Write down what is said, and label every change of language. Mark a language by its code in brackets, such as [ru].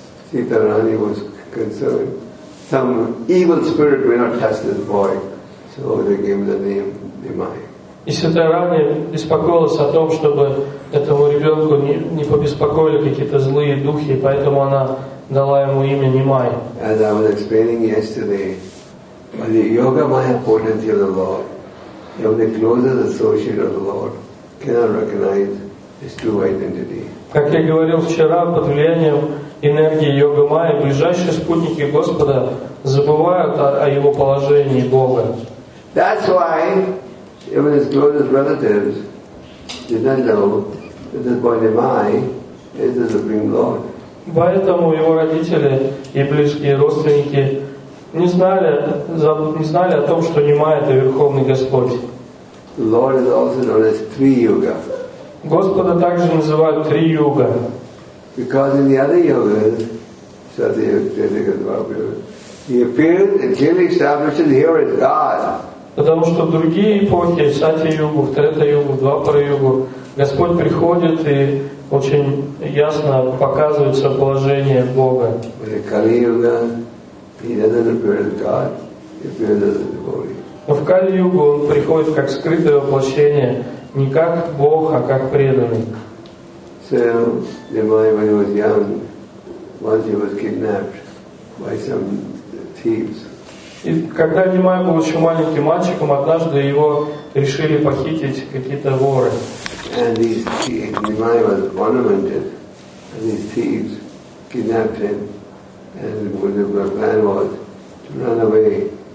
[en] Sita Rani was concerned. Some evil spirit may not touch this boy. So they gave him the name Nimai. [ru] И Сита Рани беспокоилась о том, чтобы этому ребенку не побеспокоили какие-то злые духи, поэтому она дала ему имя Нимай. [en] As I was explaining yesterday, by the yoga maya potency of the Lord, you have the closest associate of the Lord. [ru] Как я говорил вчера, под влиянием энергии йога майя ближайшие спутники Господа забывают о его положении Бога. [en] That's why even his closest relatives did not know that this boy Nimai is the Supreme Lord. [ru] Поэтому его родители и близкие родственники не знали о том, что Нимай — это Верховный Господь. [en] The Lord is also known as Tri Yuga. [ru] Господа также называют Три Юга. [en] Because in the other yogas, Satyayuga, Dvapara, he appears and clearly establishes here as God. [ru] Потому что в другие эпохи, Сатья-югу, Трета-югу, Двапара-югу, Господь приходит и очень ясно показывает свое положение Бога. [en] But in Kali-юга, he doesn't appear as God, he appears as a devotee. [ru] Но в Кали-югу он приходит как скрытое воплощение, не как Бог, а как преданный. [en] So, Nimai, when he was young, once he was kidnapped by some thieves. [ru] И когда Нимай был еще маленьким мальчиком, однажды его решили похитить какие-то воры. [en] And Nimai was ornamented, and these thieves kidnapped him, and their plan was to run away.